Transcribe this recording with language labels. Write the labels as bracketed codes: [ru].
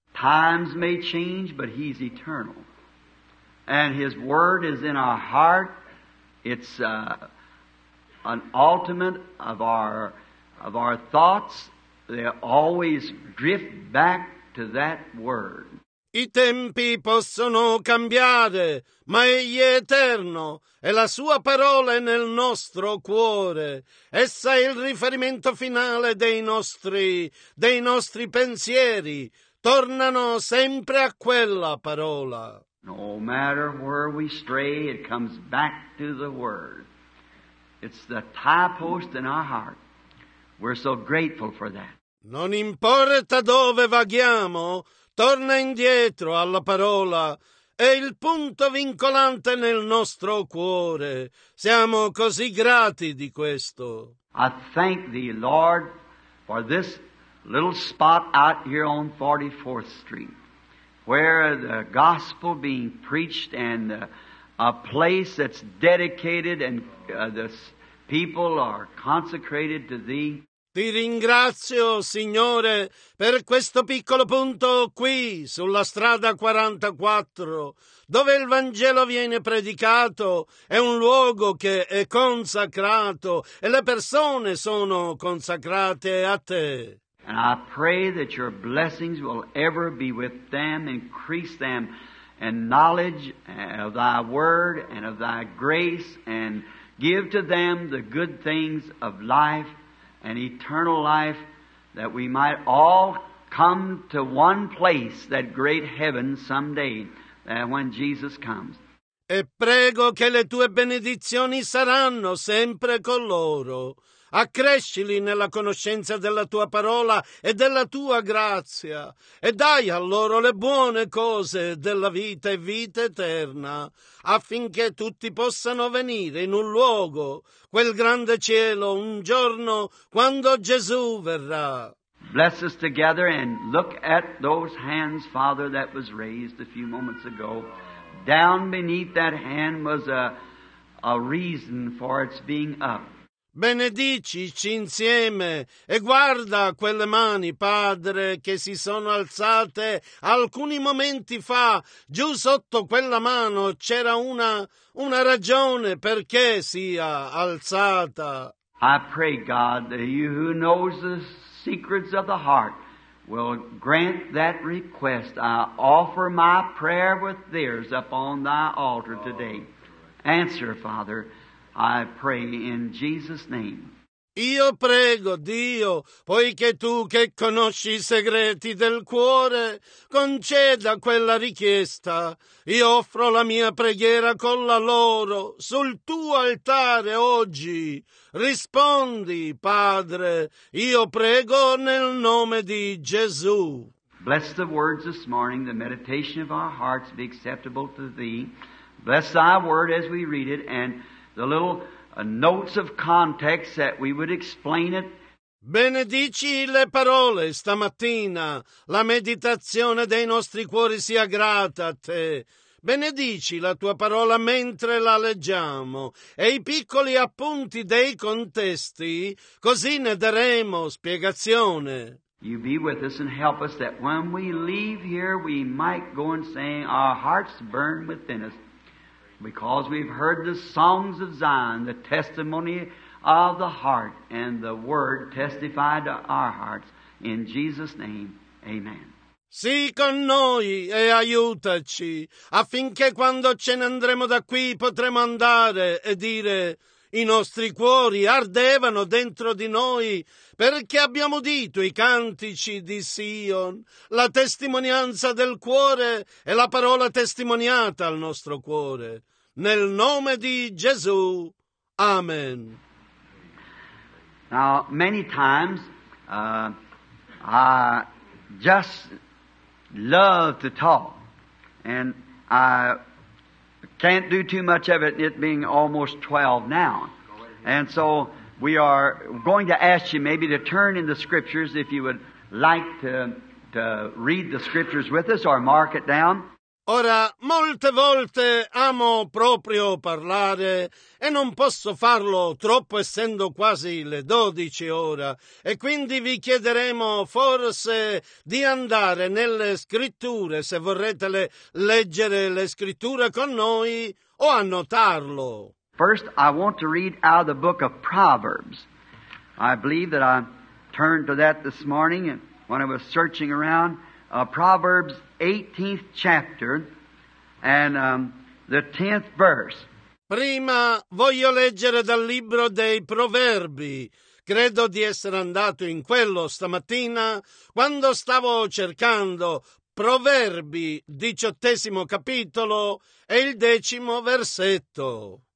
[en] Times may change, but He's eternal. And His Word is in our heart. It's an ultimate of our thoughts. They always drift back to that Word. [it] I tempi possono cambiare, ma Egli è eterno, e la Sua parola è nel nostro cuore. Essa è il riferimento finale dei nostri pensieri. Tornano sempre a quella parola. [en] No matter where we stray, it comes back to the Word. It's the tie post in our heart. We're so grateful for that. [it] Non importa dove vaghiamo, torna indietro alla parola. È il punto vincolante nel nostro cuore. Siamo così grati di questo. [en] I thank Thee, Lord, for this little spot out here on 44th Street. Where the gospel being preached and a place that's dedicated and the people are consecrated to Thee. [it] Ti ringrazio, Signore, per questo piccolo punto qui, sulla strada 44, dove il Vangelo viene predicato, è un luogo che è consacrato e le persone sono consacrate a Te. [en] And I pray that your blessings will ever be with them, increase them in knowledge of thy word and of thy grace, and give to them the good things of life and eternal life, that we might all come to one place, that great heaven someday, when Jesus comes. [it] E prego che le tue benedizioni saranno sempre con loro. Accrescili nella conoscenza della Tua parola e della Tua grazia, e dai a loro le buone cose della vita e vita eterna, affinché tutti possano venire in un luogo, quel grande cielo, un giorno quando Gesù verrà. [en] Bless us together and look at those hands, Father, that was raised a few moments ago. Down beneath that hand was a reason for its being up. [it] benedicici insieme e guarda quelle mani, Padre, che si sono alzate alcuni momenti fa. Giù sotto quella mano c'era una ragione perché sia alzata. [en] I pray, God, that you who knows the secrets of the heart will grant that request. I offer my prayer with theirs upon thy altar today. Answer, Father, I pray in Jesus' name. [it] Io prego, Dio, poiché tu che conosci i segreti del cuore, conceda quella richiesta. Io offro la mia preghiera con la loro sul tuo altare oggi. Rispondi, Padre, io prego nel nome di Gesù. [en] Bless the words this morning, the meditation of our hearts be acceptable to thee. Bless thy word as we read it, and the little notes of context that we would explain it. [it] Benedici le parole stamattina, la meditazione dei nostri cuori sia grata a te. Benedici la tua parola mentre la leggiamo e i piccoli appunti dei contesti, così ne daremo spiegazione. [en] You be with us and help us that when we leave here we might go and sing, our hearts burn within us. Because we've heard the songs of Zion, the testimony of the heart, and the word testified to our hearts. In Jesus' name, amen. [it] Sii con noi e aiutaci, affinché quando ce ne andremo da qui potremo andare e dire: i nostri cuori ardevano dentro di noi perché abbiamo udito i cantici di Sion, la testimonianza del cuore e la parola testimoniata al nostro cuore. Nel nome di Gesù. Amen. [en] Now, many times I just love to talk, and I can't do too much of it, it being almost 12 now. And so we are going to ask you maybe to turn in the Scriptures if you would like to read the Scriptures with us or mark it down. [it] Ora, molte volte amo proprio parlare e non posso farlo troppo essendo quasi le 12 ora e quindi vi chiederemo forse di andare nelle Scritture se vorrete leggere le Scritture con noi o annotarlo. [en] First I want to read out of the book of Proverbs. I believe that I turned to that this morning when I was searching around. Proverbs 18th chapter and the 10th verse. [it] Prima voglio leggere dal libro dei Proverbi. Credo di essere andato in quello stamattina quando stavo cercando Proverbi 18 capitolo e il 10 versetto.